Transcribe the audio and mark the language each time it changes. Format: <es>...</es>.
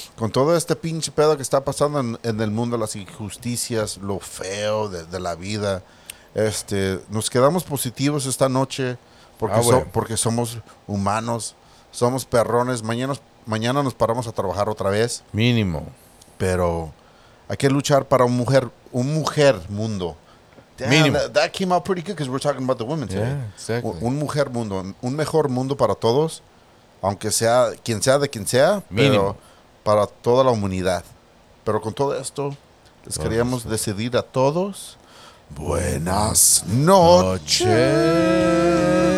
<es>Con todo este pinche pedo que está pasando en el mundo, las injusticias, lo feo de la vida, nos quedamos positivos esta noche porque somos humanos, somos perrones. Mañana nos paramos a trabajar otra vez. Mínimo. Pero hay que luchar para un mujer mundo.</es> <en>Damn,</en> <es>mínimo.</es> <en>That came out pretty good because we're talking about the women today. Yeah, exactly.</en> <es>Un mujer mundo, un mejor mundo para todos. Aunque sea quien sea de quien sea, mínimo. Pero para toda la humanidad. Pero con todo esto, les queríamos decidir a todos. Buenas noches.</es>